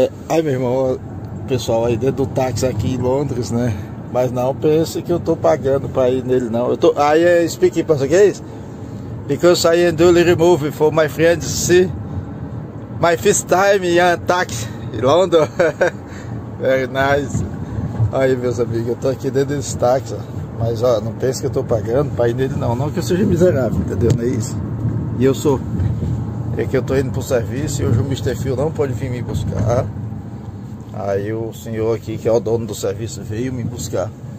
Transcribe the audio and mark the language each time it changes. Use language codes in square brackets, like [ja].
[pt] Meu irmão, pessoal aí dentro do táxi aqui em Londres, né? Mas não pense que eu tô pagando para ir nele, não. Eu tô. [en] I am speaking português. Because I am doing a little movie for my friends, see? My first time in a taxi in London. Very nice. [pt] Aí, meus amigos, eu tô aqui dentro desse táxi, ó. Mas, ó, não pense que eu tô pagando para ir nele, não. Não que eu seja miserável, entendeu? Não é isso. E eu sou. É que eu tô indo pro serviço e hoje o Mr. Phil não pode vir me buscar. Aí o senhor aqui, que é o dono do serviço, veio me buscar.